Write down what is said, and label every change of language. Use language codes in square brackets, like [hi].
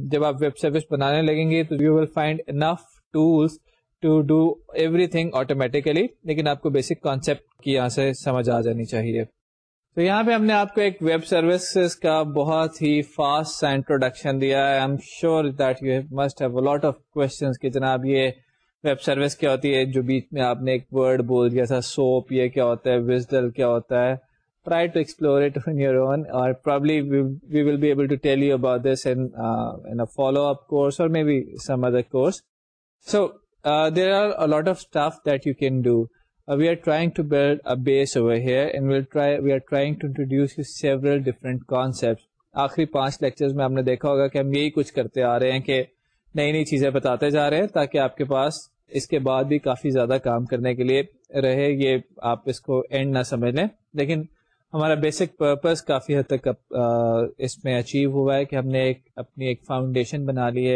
[ur] جب آپ web service بنانے لگیں گے تو [en] you will find enough tools to do everything automatically, [ur] لیکن آپ کو بیسک کانسیپٹ کی یہاں سے سمجھ آ جانی چاہیے. تو یہاں پہ ہم نے آپ کو ایک ویب سروسز کا بہت ہی فاسٹ سا انٹروڈکشن دیا ہے. [en] I am sure that you must have a lot of questions [ur] کہ جناب یہ ویب سروس کیا ہوتی ہے, جو بیچ میں آپ نے ایک ورڈ بول دیا تھا سوپ, یہ کیا ہوتا ہے, WSDL کیا ہوتا ہے. [en] Try to explore it on your own or probably we will be able to tell you about this in a follow-up course or maybe some other course. So there are a lot of stuff that you can do. We are trying to build a base over here and we are trying to introduce you several different concepts. [ur] آخری پانچ lectures میں آپ نے دیکھا ہوگا کہ ہم یہی کچھ کرتے آ رہے ہیں کہ نئی نئی چیزیں بتاتے جا رہے ہیں تاکہ آپ کے پاس اس کے بعد بھی کافی زیادہ کام کرنے کے لیے رہے, یہ آپ اس کو اینڈ نہ سمجھ لیں. لیکن ہمارا بیسک پرپز کافی حد تک اس میں اچیو ہوا ہے کہ ہم نے اپنی ایک فاؤنڈیشن بنا لی ہے.